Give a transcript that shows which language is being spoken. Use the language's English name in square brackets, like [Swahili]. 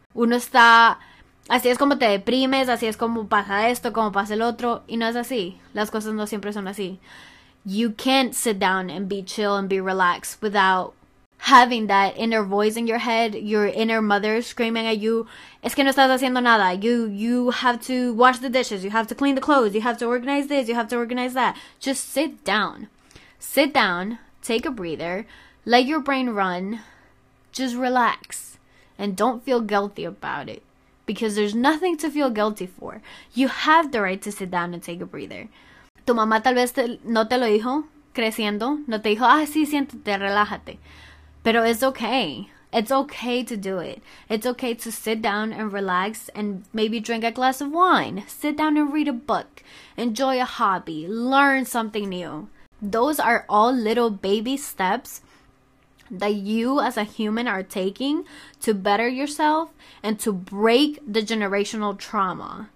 [Spanish] Uno está, así es como te deprimes, así es como pasa esto, como pasa el otro, y no es así, las cosas no siempre son así. [English] You can't sit down and be chill and be relaxed without having that inner voice in your head, your inner mother screaming at you, [Spanish] es que no estás haciendo nada, [English] you have to wash the dishes, you have to clean the clothes, you have to organize this, you have to organize that. Just sit down, take a breather, let your brain run, just relax, and don't feel guilty about it, because there's nothing to feel guilty for. You have the right to sit down and take a breather. [Spanish] Tu mamá tal vez no te lo dijo creciendo, no te dijo, ah, sí, siéntate, relájate. [English] But it's okay. It's okay to do it. It's okay to sit down and relax and maybe drink a glass of wine. Sit down and read a book. Enjoy a hobby. Learn something new. Those are all little baby steps that you as a human are taking to better yourself and to break the generational trauma.